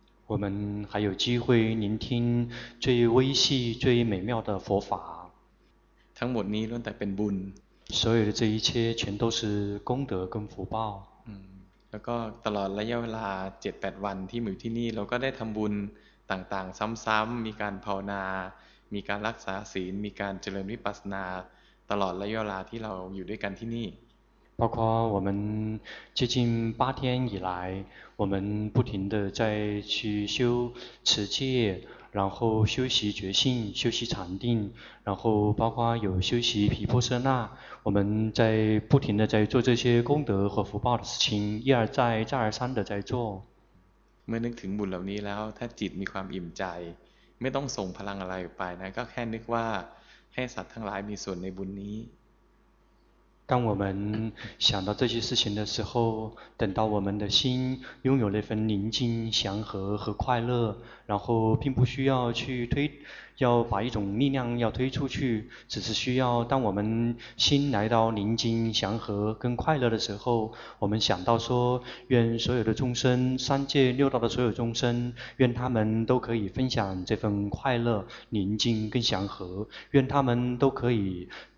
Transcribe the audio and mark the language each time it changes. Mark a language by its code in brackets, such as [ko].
[zh] 我们还有机会聆听最微细最美妙的佛法 [th] ทั้งหมดนี้ล้วนแต่เป็นบุญ [zh] 所有的这一切全都是功德跟福报 [th] แล้วก็ตลอดระยะเวลา 7-8 วันที่อยู่ที่นี่เราก็ได้ทำบุญต่างๆซ้ำๆมีการภาวนามีการรักษาศีลมีการเจริญวิปัสสนาตลอดระยะเวลาที่เราอยู่ด้วยกันที่นี่ [zh] 包括我们接近八天以来，我们不停地在去修持戒，然后修习觉性，修习禅定，然后包括有修习毗婆舍那，我们在不停地在做这些功德和福报的事情，一而再，再而三地在做。 [th] เมื่อนึกถึงบุญเหล่านี้แล้วถ้าจิตมีความอิ่มใจไม่ต้องส่งพลังอะไรไปนะก็แค่นึกว่าให้สัตว์ทั้งหลายมีส่วนในบุญนี้ [zh] 当我们想到这些事情的时候，等到我们的心拥有那份宁静、祥和和快乐，然后并不需要去推，要把一种力量要推出去，只是需要当我们心来到宁静、祥和跟快乐的时候，我们想到说，愿所有的众生，三界六道的所有众生，愿他们都可以分享这份快乐、宁静跟祥和，愿他们都可以。